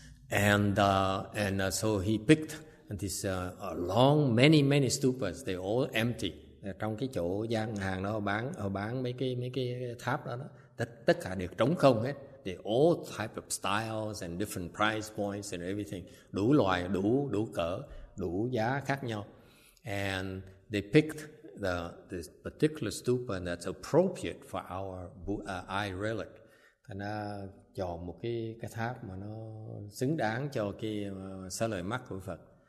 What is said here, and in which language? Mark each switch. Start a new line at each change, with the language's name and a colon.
English: So he picked this many stupas. They all empty.
Vietnamese: Trong cái chỗ gian hàng đó họ bán mấy cái tháp đó. Tất cả đều trống không hết.
English: They all type of styles and different price points and everything.
Vietnamese: Đủ loại, đủ cỡ, đủ giá khác nhau.
English: And they picked this particular stupa that's appropriate for our eye relic.
Vietnamese: Thành ra chọn một cái tháp mà nó xứng đáng cho cái xá lợi mắt của Phật.